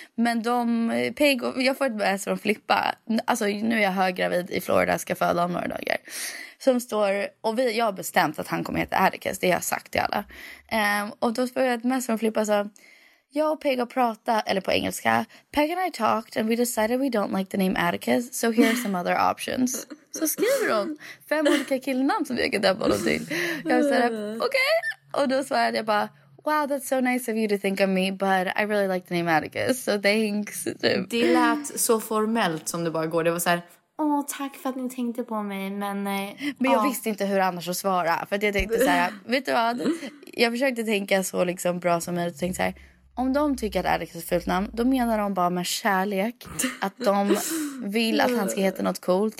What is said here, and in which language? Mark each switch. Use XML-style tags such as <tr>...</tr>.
<sv>Men de, Peg och, jag får ett bäst från Flippa. Alltså nu är jag höggravid i Florida, ska föda om några dagar. Som står, och vi, jag har bestämt att han kommer heta Atticus, det har jag sagt till alla. Och då får jag ett bäst från Flippa så. Jag och Peg har pratat, eller på engelska.</sv> <en>Peg and I talked and we decided we don't like the name Atticus. So here are some other options.</en> <sv>Så skriver hon fem olika killnamn som vi kan döpa honom till. Jag säger okej. Okay. Och då svarade jag bara,</sv> <en>wow, that's so nice of you to think of me. But I really like the name Atticus. So thanks.</en> <sv>Det lät så formellt som det bara går. Det var så här, åh, tack för att ni tänkte på mig. Men jag visste inte hur annars att svara. För att jag tänkte så här, vet du vad? Jag försökte tänka så liksom bra som möjligt. Och tänkte så här, om de tycker att Atticus är ett fult namn, då menar de bara med kärlek att de vill att han ska heta något coolt.</sv>